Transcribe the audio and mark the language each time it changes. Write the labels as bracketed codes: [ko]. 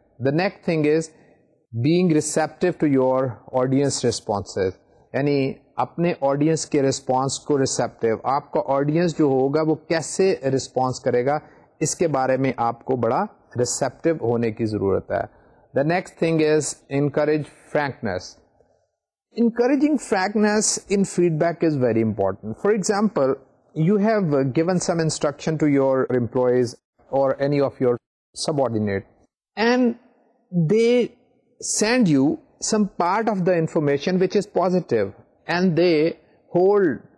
[en] the next thing is being receptive to your audience responses, [ur] یعنی اپنے audience کے response کو ریسیپٹیو, آپ کا آڈینس جو ہوگا وہ کیسے رسپانس کرے گا اس کے بارے میں آپ کو بڑا ریسیپٹیو ہونے کی ضرورت ہے. [en] The next thing is encourage frankness. Encouraging frankness in feedback is very important. For example you have given some instruction to your employees or any of your subordinate and they send you some part of the information which is positive and they hold